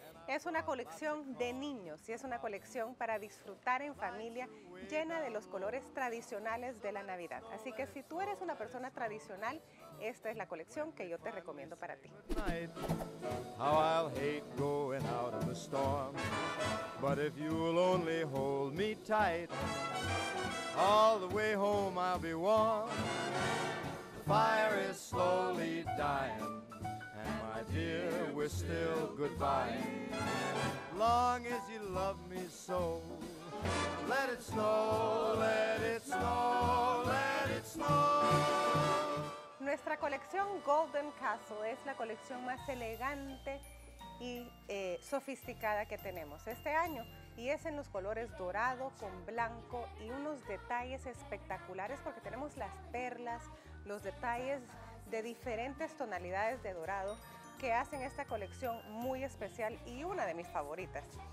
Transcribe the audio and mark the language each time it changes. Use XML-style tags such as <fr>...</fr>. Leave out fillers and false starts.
<es>Es una colección de niños y es una colección para disfrutar en familia, llena de los colores tradicionales de la Navidad. Así que si tú eres una persona tradicional, esta es la colección que yo te recomiendo para ti.</es> <en>How I'll hate going out in the storm, but if you'll only hold me tight, all the way home I'll be warm. The fire is slowly dying, and my dear, we're still goodbye. Long as you love me so, let it snow, let it snow, let it snow.</en> <es>Nuestra colección Golden Castle es la colección más elegante y sofisticada que tenemos este año. Y es en los colores dorado con blanco y unos detalles espectaculares porque tenemos las perlas, los detalles de diferentes tonalidades de dorado que hacen esta colección muy especial y una de mis favoritas.</es>